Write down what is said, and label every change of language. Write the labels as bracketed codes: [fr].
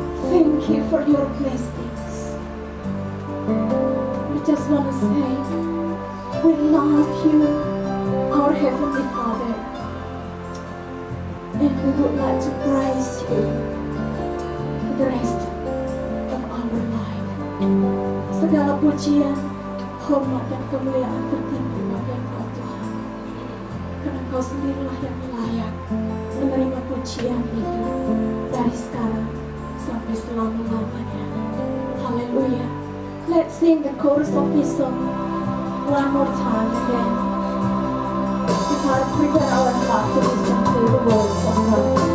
[en] Thank you for your blessings. We just want to say, we love you, our Heavenly Father, and we would like to praise you for the rest of our life. [id] Segala pujian, hormat, dan kemuliaan tertinggi bagi Engkau Tuhan, karena Engkau sendirilah yang layak menerima pujian itu dari sekarang sampai selama-lamanya. Haleluya. [en] Let's sing the chorus of this song one more time again. [id] Kita [en] prepare our heart to listen to the words of God.